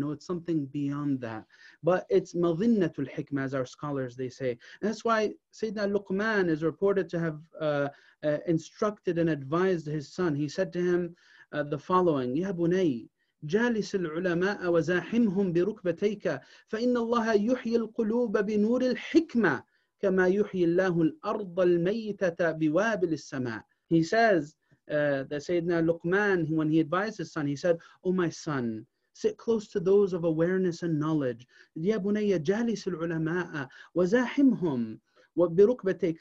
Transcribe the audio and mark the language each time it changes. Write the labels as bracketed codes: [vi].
[en] No, it's something beyond that. But it's madhinnatul hikmah, as our scholars, they say. And that's why Sayyidina Luqman is reported to have instructed and advised his son. He said to him the following, [ar] Ya bunay, جالس العلماء وزاحمهم بركبتيك فإن الله يحيي القلوب بنور الحكمة كما يحيي الله الأرض الميتة بوابل السماء. [en] He says that Sayyidina Luqman, when he advised his son, he said, O my son, sit close to those of awareness and knowledge. [ar] يا بني جالس العلماء وزاحمهم وبركبتيك.